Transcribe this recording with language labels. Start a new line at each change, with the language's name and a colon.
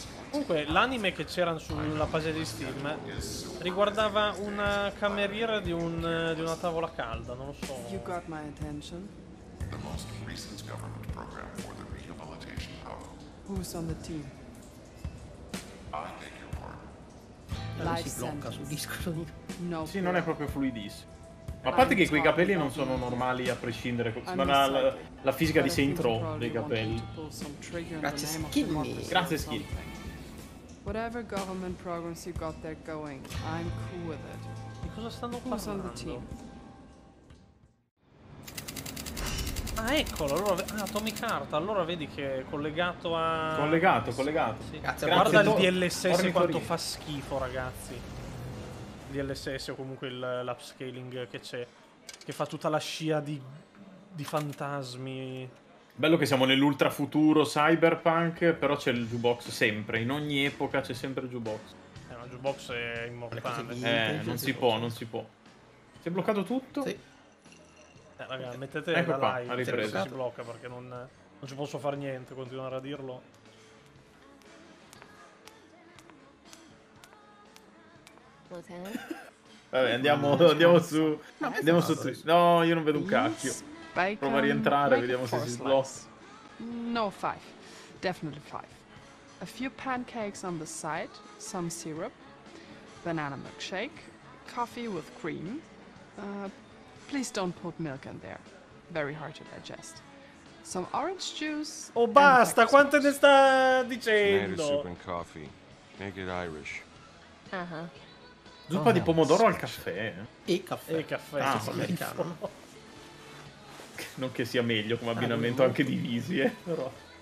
Italian: Comunque, l'anime che c'era sulla pagina di Steam riguardava una cameriera di un di una tavola calda, non lo so.
English: You got my attention. The most recent government program for the rehabilitation of. Who's on the team? I think you are. Life sentence.
Italian: Sì, non è proprio fluidissimo. Ma a parte che quei capelli non sono normali a prescindere, ma la fisica di Saint Row dei capelli. Grazie Skinny. Grazie Skinny.
English: Whatever government programs you got there going, I'm cool with it.
Italian: Di cosa stanno parlando? Ah, eccolo, allora, Atomic Heart, allora vedi che è collegato a... Collegato, collegato. Sì. Grazie. Guarda il DLSS quanto fa schifo, ragazzi. DLSS o comunque l'upscaling che c'è, che fa tutta la scia di fantasmi. Bello che siamo nell'ultra futuro cyberpunk, però c'è il jukebox sempre, in ogni epoca c'è sempre il jukebox. Ma il jukebox è immortale. Non si può, non si può. Si è bloccato tutto? Sì. Raga, mettete ecco la qua, live, si blocca perché non ci posso fare niente, continuare a dirlo. Vabbè, andiamo su. No, io non vedo un cacchio. Prova a rientrare, vediamo se si sblocca.
English: No, 5. Definitely 5. A few pancakes on the side, some syrup, banana milkshake, coffee with cream. Please don't put milk in there. Very hard to digest. Some orange juice.
Italian: Oh, basta, quante ne sta dicendo?
English: Soup and coffee. Make it Irish.
Italian: Zuppa di pomodoro al caffè. E caffè. Ah, sì, americano. Non che sia meglio come abbinamento anche di visi, però.